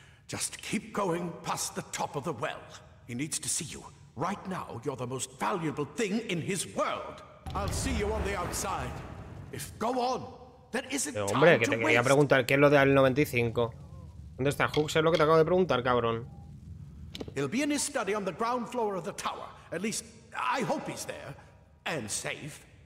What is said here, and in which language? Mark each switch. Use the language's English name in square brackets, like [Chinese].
[English] Just keep going past the top of the well. He needs to see you. Right now, you're the most valuable thing in his world. I'll see you on the outside. If go on, there isn't time. [Spanish] Hombre, que te quería preguntar qué es lo del 95. ¿Dónde está Hux? Es lo que te acabo de preguntar, cabrón. [English] He'll be in his study on the ground floor of the tower. At least I hope he's there and safe.